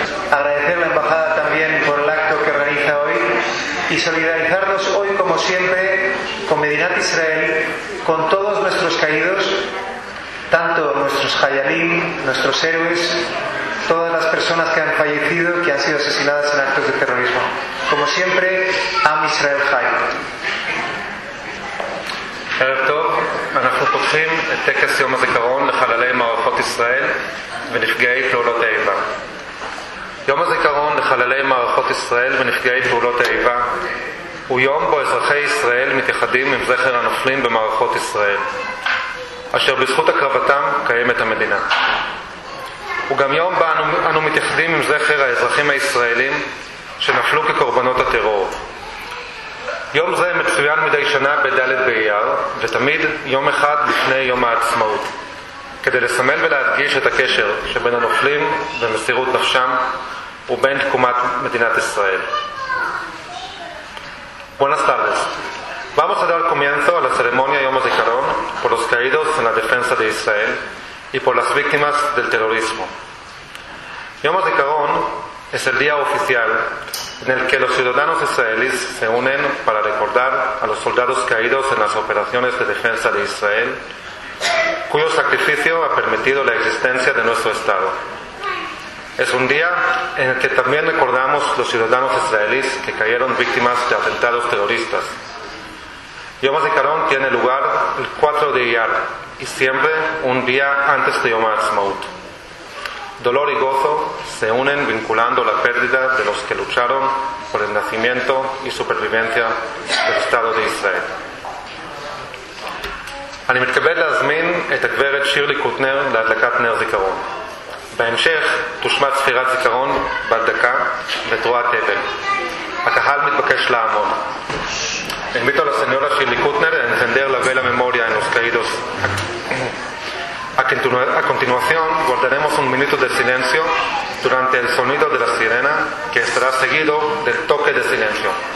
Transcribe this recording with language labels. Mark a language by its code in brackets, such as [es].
[es] Agradecer la embajada también por el acto que organiza hoy y solidarizarnos hoy como siempre con Medinat Israel, con todos nuestros caídos, tanto nuestros hayalim, nuestros héroes, todas las personas que han fallecido, que han sido asesinadas en actos de terrorismo. Como siempre, [he] Am Israel Hay. ערב טוב, אנחנו פותחים את טקס יום הזיכרון לחללי מערכות ישראל ונפגעי פעולות האיבה. יום הזיכרון לחללי מערכות ישראל ונפגעי פעולות האיבה הוא יום בו אזרחי ישראל מתייחדים עם זכר הנופלים במערכות ישראל, אשר בזכות הקרבתם קיימת המדינה. הוא גם יום בו אנו מתייחדים עם זכר האזרחים הישראלים שנפלו כקורבנות הטרור. יום זה מצוין מדי שנה בדלת באייר, ותמיד יום אחד לפני יום העצמאות, כדי לסמל ולהדגיש את הקשר שבין הנופלים ומסירות נפשם ובין תקומת מדינת ישראל. [es] Buenas tardes. Vamos a dar comienzo a la ceremonia יום הזיכרון por los caídos en la defensa de Israel y por las víctimas del terrorismo. יום הזיכרון es el día oficial en el que los ciudadanos israelíes se unen para recordar a los soldados caídos en las operaciones de defensa de Israel, cuyo sacrificio ha permitido la existencia de nuestro Estado. Es un día en el que también recordamos los ciudadanos israelíes que cayeron víctimas de atentados terroristas. Yom HaZikaron tiene lugar el 4 de Iyar y siempre un día antes de Yom HaZmaut. Dolor y gozo se unen vinculando la pérdida de los que lucharon por el nacimiento y supervivencia del Estado de Israel. [he] אני מתכבד להזמין את הגברת שירלי קוטנר להדלקת נר זיכרון. בהמשך תושמע צפירת זיכרון בת דקה ותרועת אבל. הקהל מתבקש לעמוד. [es] Invito a la señora Shirley Kuttner a encender la vela memoria en los caídos. A continuación, guardaremos un minuto de silencio durante el sonido de la sirena que estará seguido del toque de silencio.